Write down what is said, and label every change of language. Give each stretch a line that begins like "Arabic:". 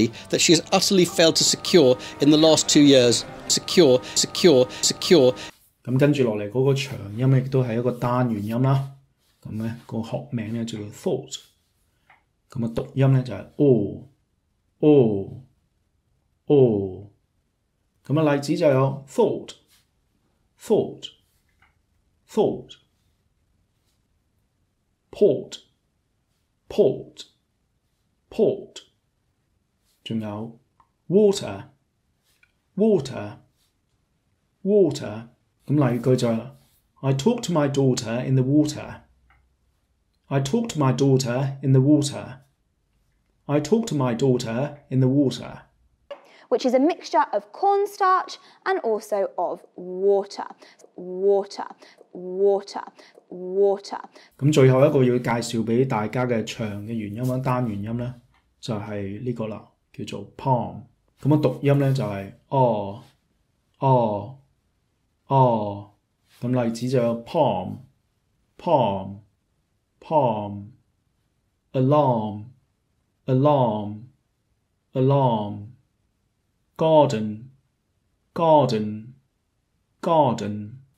English: That she has utterly failed to secure in the last 2 years. Secure, secure, secure.
Cantonese: 咁跟住落嚟嗰個長音亦都係一個單元音啦。咁咧個學名咧就叫 thought。咁啊讀音咧就係 o, o, o。咁啊例子就有
English: thought, thought, thought。 port, port, port,
Cantonese: 還有
English: water, water, water,
Cantonese: 咁例句就係
English: I talked to my daughter in the water, I talked to my daughter in the water, I talked to my daughter in the water, which is a mixture of cornstarch and also of water, water, water. water。
Cantonese: 咁最后一个要介绍俾大家嘅长嘅元音啦，单元音咧就系呢个啦，叫做 palm。咁啊读音咧就系哦哦哦。咁例子就有
English: palm palm palm alarm alarm alarm garden garden garden。